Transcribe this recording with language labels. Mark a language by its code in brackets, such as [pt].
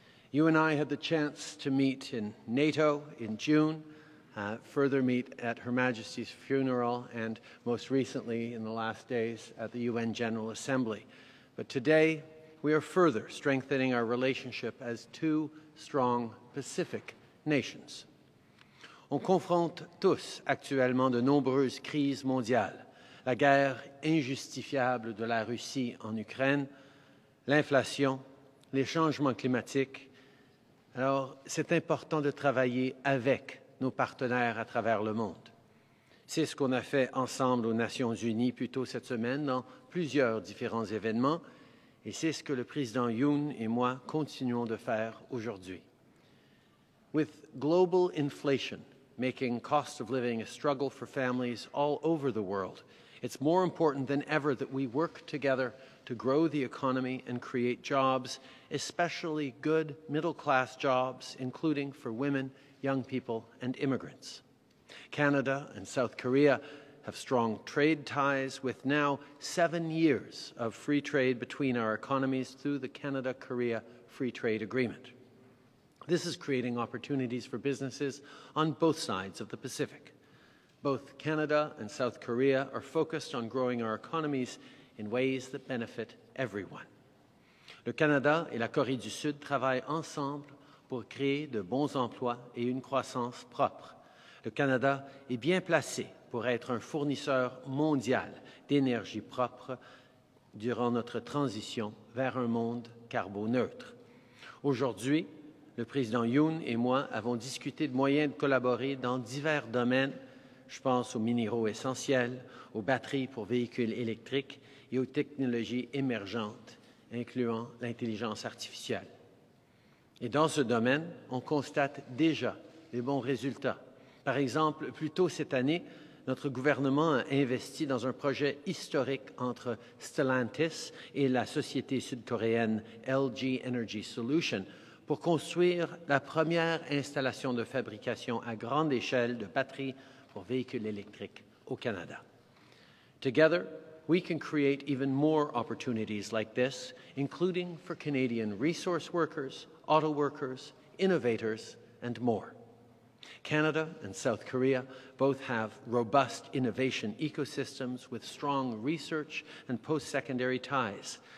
[en] You and I had the chance to meet in NATO in June, further meet at Her Majesty's funeral, and most recently in the last days at the UN General Assembly. But today, we are further strengthening our relationship as two strong Pacific nations. [fr] On confronte tous actuellement de nombreuses crises mondiales, la guerre injustifiable de la Russie en Ukraine, l'inflation, les changements climatiques. Alors, c'est important de travailler avec nos partenaires à travers le monde. C'est ce qu'on a fait ensemble aux Nations Unies plus tôt cette semaine dans plusieurs différents événements, et c'est ce que le président Yoon et moi continuons de faire aujourd'hui. [en] With global inflation making cost of living a struggle for families all over the world, it's more important than ever that we work together to grow the economy and create jobs, especially good middle-class jobs, including for women, young people, and immigrants. Canada and South Korea have strong trade ties with now 7 years of free trade between our economies through the Canada-Korea Free Trade Agreement. This is creating opportunities for businesses on both sides of the Pacific. Both Canada and South Korea are focused on growing our economies in ways that benefit everyone. [fr] Le Canada et la Corée du Sud travaillent ensemble pour créer de bons emplois et une croissance propre. Le Canada est bien placé pour être un fournisseur mondial d'énergie propre durant notre transition vers un monde carboneutre. Aujourd'hui, le président Yoon et moi avons discuté de moyens de collaborer dans divers domaines. Je pense aux minéraux essentiels, aux batteries pour véhicules électriques et aux technologies émergentes, incluant l'intelligence artificielle. Et dans ce domaine, on constate déjà les bons résultats. Par exemple, plus tôt cette année, notre gouvernement a investi dans un projet historique entre Stellantis et la société sud-coréenne LG Energy Solution pour construire la première installation de fabrication à grande échelle de batteries pour véhicules électriques au Canada. [en] Together, we can create even more opportunities like this, including for Canadian resource workers, auto workers, innovators, and more. Canada and South Korea both have robust innovation ecosystems with strong research and post-secondary ties.